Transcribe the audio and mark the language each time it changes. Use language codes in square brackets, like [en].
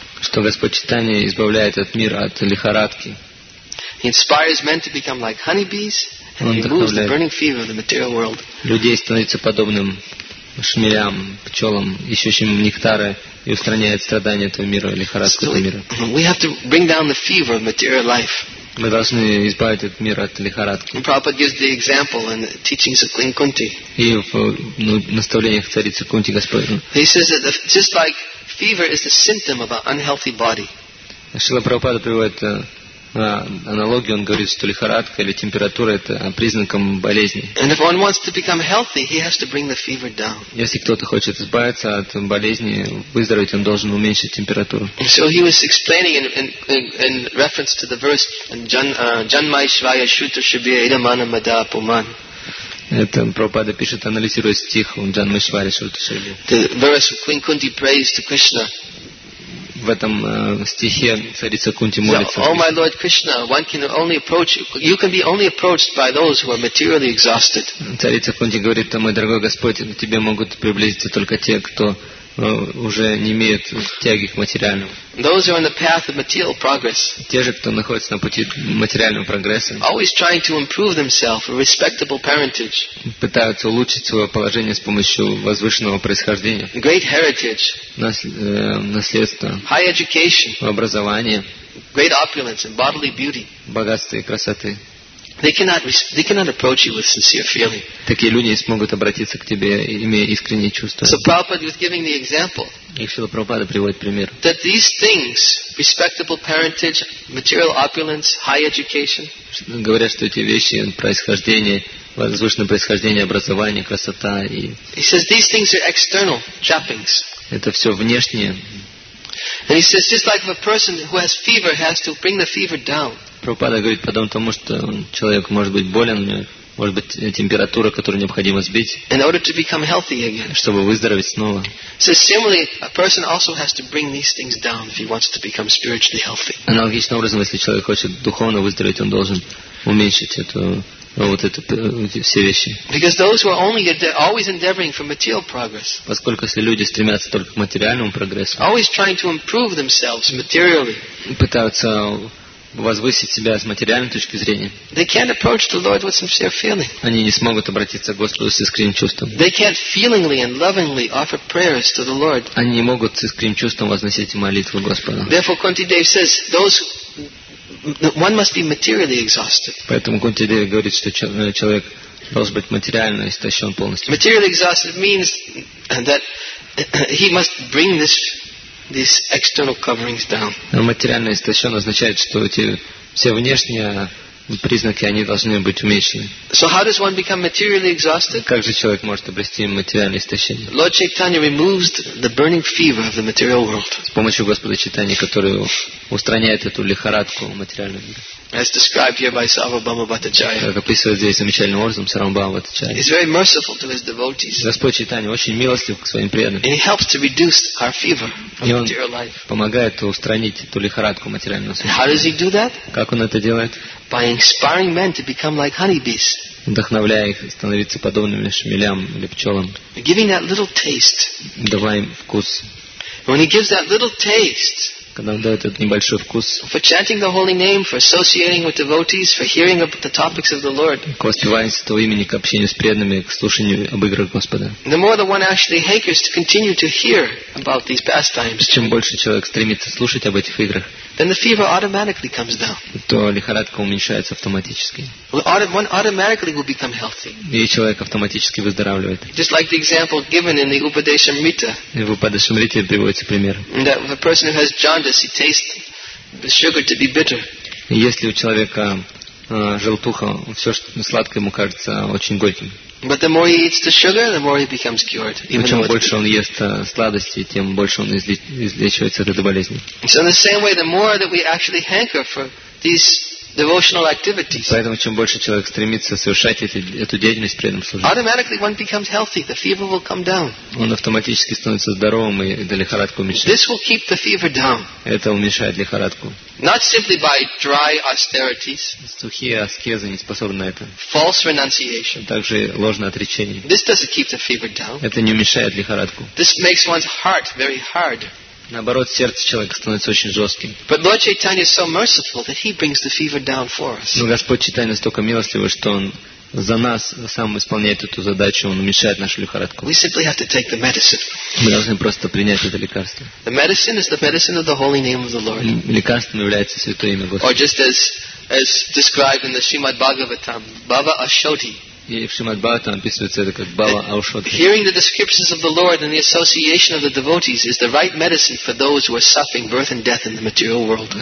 [ru] Что Господь Чайтанья избавляет этот мир от лихорадки. [en] He inspires men to become like honeybees and removes the burning fever of the material world. [ru] Людей становится подобным шмелям, пчелам, ищущим нектара и устраняет страдания этого мира, лихорадку этого мира. [en] We have to bring down the fever of material life. [ru] Мы должны избавить этот мир от лихорадки. [en] Prabhupada gives the example in the teachings of Queen Kunti. [ru] И в наставлениях царицы Кунти Господь. [en] He says that just like fever is the symptom of an unhealthy body. [ru] Шрила Прабхупада приводит аналогию. Он говорит, что лихорадка или температура — это признаком болезни. [en] And if one wants to become healthy, he has to bring the fever down. [ru] Если кто-то хочет избавиться от болезни, выздороветь, он должен уменьшить температуру. [en] So he was explaining in reference to the verse Janmaishvaya Shuta Shubhya Idamana Mada Puman. [ru] Это Прабхупада пишет, анализируя стих Джанмайшвари Шрута Шриби. [en] The verse of Queen Kunti prays to Krishna. [ru] В этом стихе царица Кунти молится. [en] Oh my Lord Krishna, one can only approach you can be only approached by those who are materially exhausted. [ru] Царица Кунти говорит: мой дорогой Господь, к тебе могут приблизиться только те, кто уже не имеют тяги к материальному. [en] Those who are on the path of material progress. [ru] Те же, кто находится на пути материального прогресса. [en] Always trying to improve themselves, a respectable parentage. [ru] Пытаются улучшить свое положение с помощью возвышенного происхождения. [en] Great heritage. [ru] Наследство. [en] High education. [ru] Образование. [en] Great opulence and bodily beauty. [ru] Богатство и красоты. [en] They cannot approach you with sincere feeling. [ru] Такие люди не смогут обратиться к тебе, имея искренние чувства. [en] So Prabhupada was giving the example. [ru] И Шрила Прабхупада приводит пример. [en] That these things, respectable parentage, material opulence, high education. [ru] Говорят, что эти вещи, происхождение, возвышенное происхождение, образование, красота и. [en] He says these things are external trappings. [ru] Это все внешнее. [en] And he says just like a person who has fever has to bring the fever down. [ru] Прабхупада говорит, подобно тому, что человек может быть болен, может быть, температура, которую необходимо сбить, [en] in order to become healthy again. [ru] Чтобы выздороветь снова. [en] So similarly, a person also has to bring these things down if he wants to become spiritually healthy. [ru] Аналогичным образом, если человек хочет духовно выздороветь, он должен уменьшить эту, ну, вот это, эти все вещи. [en] Because those who are only always endeavoring for material progress. [ru] Поскольку если люди стремятся только к материальному прогрессу. [en] Always trying to improve themselves materially. [ru] Пытаются возвысить себя с материальной точки зрения. [en] They can't approach the Lord with sincere feeling. [ru] Они не смогут обратиться к Господу с искренним чувством. [en] They can't feelingly and lovingly offer prayers to the Lord. [ru] Они не могут с искренним чувством возносить молитву Господу. [en] Therefore, Kunti Dev says, those one must be materially exhausted. [ru] Поэтому Кунти Дев говорит, что человек должен быть материально истощен полностью. [en] Materially exhausted means that he must bring this. These external coverings down. [ru] Материально истощен означает, что эти все внешние признаки они должны быть уменьшены. [en] So how does one become materially exhausted? [ru] Как же человек может обрести материальное истощение? [en] Lord Chaitanya removes the burning fever of the material world. [ru] С помощью Господа Чайтаньи, который устраняет эту лихорадку материального мира. [en] As described here by Sarvabhauma Bhattacharya. [ru] Как описывается здесь замечательным образом Сарвабхаума Бхаттачарья. [en] He's very merciful to his devotees. [ru] Господь Чайтанья очень милостив к своим преданным. [en] And he helps to reduce our fever of material life. [ru] И он помогает устранить эту лихорадку материального существа. [en] How does he do that? [ru] Как он это делает? [en] By inspiring men to become like honeybees. [ru] Вдохновляя их становиться подобными шмелям или пчелам. [en] Giving that little taste. [ru] Давая им вкус. [en] When he gives that little taste. [ru] Когда он дает этот небольшой вкус. [en] For chanting the holy name, for associating with devotees, for hearing about the topics of the Lord. [ru] К воспеванию святого имени, к общению с преданными, к слушанию об играх Господа. [en] The more the one actually hankers to continue to hear about these pastimes. [ru] Чем больше человек стремится слушать об этих играх. [en] Then the fever automatically comes down. [ru] То лихорадка уменьшается автоматически. [en] One automatically will become healthy. [ru] И человек автоматически выздоравливает. [en] Just like the example given in the Upadeshamrita. [ru] В Упадешамрите приводится пример. [en] That the person who has jaundice, he tastes the sugar to be bitter. [ru] Если у человека желтуха, все что сладкое ему кажется очень горьким. [en] But the more he eats the sugar, the more he becomes cured. [ru] Но чем больше он ест сладости, тем больше он излечивается от этой болезни. [en] So in the same way, the more that we actually hanker for these devotional activities. [ru] Поэтому чем больше человек стремится совершать эту деятельность при этом служении. [en] Automatically, one becomes healthy. The fever will come down. [ru] Он автоматически становится здоровым и лихорадку уменьшает. [en] This will keep the fever down. [ru] Это уменьшает лихорадку. [en] Not simply by dry austerities. [ru] Сухие аскезы не способны на это. [en] False renunciation. [ru] Также ложное отречение. [en] This doesn't keep the fever down. [ru] Это не уменьшает лихорадку. [en] This makes one's heart very hard. [ru] Наоборот, сердце человека становится очень жестким. [en] But Lord Chaitanya is so merciful that he brings the fever down for us. [ru] Но Господь Чайтанья настолько милостивый, что он за нас сам исполняет эту задачу, он уменьшает нашу лихорадку. [en] We simply have to take the medicine. [ru] Мы должны просто принять это лекарство. [en] The medicine is the medicine of the holy name of the Lord. [ru] Лекарством является святое имя Господа. [en] Or just as described in the Srimad Bhagavatam, Bhava Ashoti. [ru] И в Шримад Бхагаватам описывается это как Бхава Аушоти. [en] Hearing the descriptions of the Lord and the association of the devotees is the right medicine for those who are suffering birth and death in the material world.